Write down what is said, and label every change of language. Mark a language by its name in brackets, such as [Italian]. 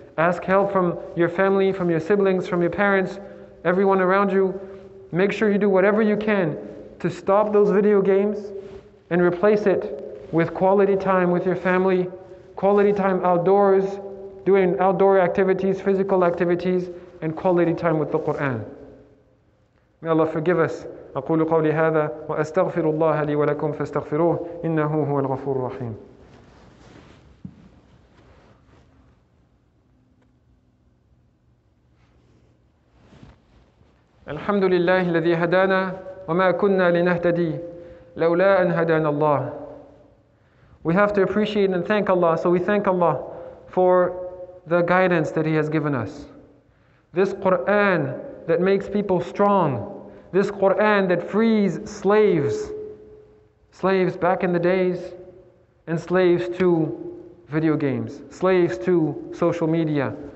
[English] Ask help from your family, from your siblings, from your parents, everyone around you. Make sure you do whatever you can to stop those video games and replace it with quality time with your family, quality time outdoors, doing outdoor activities, physical activities, and quality time with the Qur'an. May Allah forgive us. [Arabic] أقول قولي هذا وأستغفر الله لي ولكم فاستغفروه إنه هو الغفور الرحيم. الحمد لله الذي هدانا وما كنا لنهتدي لولا أن هدانا الله. [English] We have to appreciate and thank Allah. So we thank Allah for the guidance that He has given us. This Quran that makes people strong. This Qur'an that frees slaves, slaves back in the days, and slaves to video games, slaves to social media.